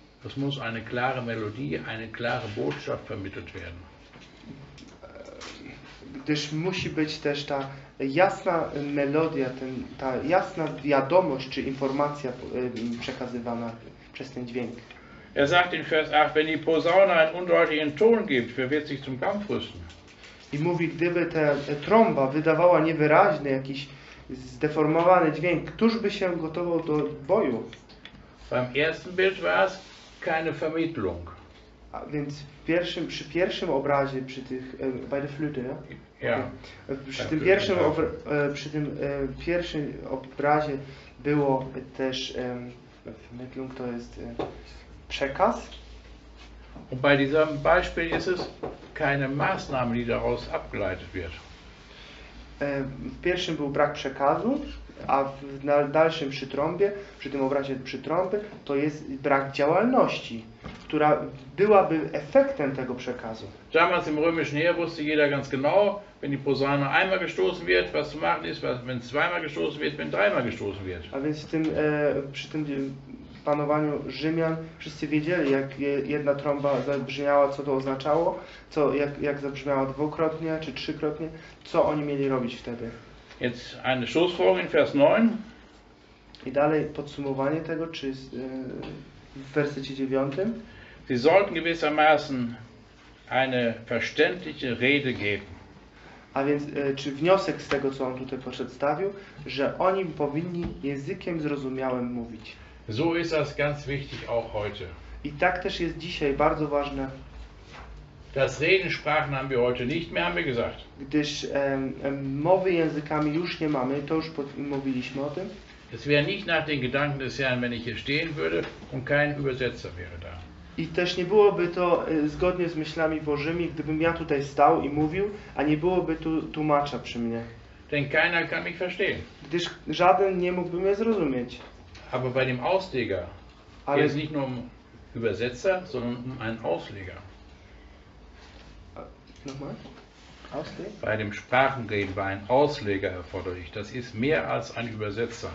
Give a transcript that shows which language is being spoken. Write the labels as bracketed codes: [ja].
[de] Es muss eine klare Melodie, eine klare Botschaft vermittelt werden. [pl] Gdyż musi być też ta jasna melodia, ta jasna wiadomość czy informacja przekazywana przez ten dźwięk. [de] Er sagt in Vers 8, wenn die Posaune einen undeutlichen Ton gibt, wer wird sich zum Kampf rüsten? [pl] I mówi, gdyby ta trąba wydawała niewyraźny jakiś zdeformowany dźwięk, któż by się gotował do boju? [de] Beim ersten Bild war es keine Vermittlung. [pl] A więc w pierwszym, przy pierwszym obrazie, przy tych, [en] by the flute, [de] ja? [en] Yeah. [pl] Przy tym pierwszym, przy tym pierwszym obrazie było też, Vermittlung, to jest przekaz. [de] Und bei diesem Beispiel ist es keine Maßnahme, die daraus abgeleitet wird. [pl] W pierwszym był brak przekazu, a w dalszym przy trąbie, przy tym obrazie przy trąbie, to jest brak działalności, która byłaby efektem tego przekazu. [de] Damals im römischen Heer wusste jeder ganz genau, wenn die Posaune einmal gestoßen wird, was zu machen ist, was, wenn zweimal gestoßen wird, wenn dreimal gestoßen wird. [pl] A więc przy tym panowaniu Rzymian wszyscy wiedzieli, jak jedna trąba zabrzmiała, co to oznaczało, co, jak zabrzmiała dwukrotnie czy trzykrotnie, co oni mieli robić wtedy. [de] Jetzt eine Schlussfolgerung in Vers 9. [pl] I dalej podsumowanie tego, czy w wersecie 9. [de] Sie sollten gewissermaßen eine verständliche Rede geben. [pl] A więc czy wniosek z tego, co on tutaj przedstawił, że oni powinni językiem zrozumiałym mówić. [de] So ist das ganz wichtig auch heute. [pl] I tak też jest dzisiaj bardzo ważne. [de] Das Reden sprachen haben wir heute nicht mehr, haben wir gesagt. [pl] Gdyż mowy językami już nie mamy, to już mówiliśmy o tym. [de] Es wäre nicht nach den Gedanken des Herrn, wenn ich hier stehen würde und kein Übersetzer wäre da. [pl] I też nie byłoby to zgodnie z myślami Bożymi, gdybym ja tutaj stał i mówił, a nie byłoby tu tłumacza przy mnie. [de] Denn keiner kann mich verstehen. [pl] Gdyż żaden nie mógłby mnie zrozumieć. [de] Aber bei dem Ausleger geht es nicht nur um Übersetzer, sondern um einen Ausleger. Nochmal? Ausleger? Bei dem Sprachenreden war ein Ausleger erforderlich. Das ist mehr als ein Übersetzer.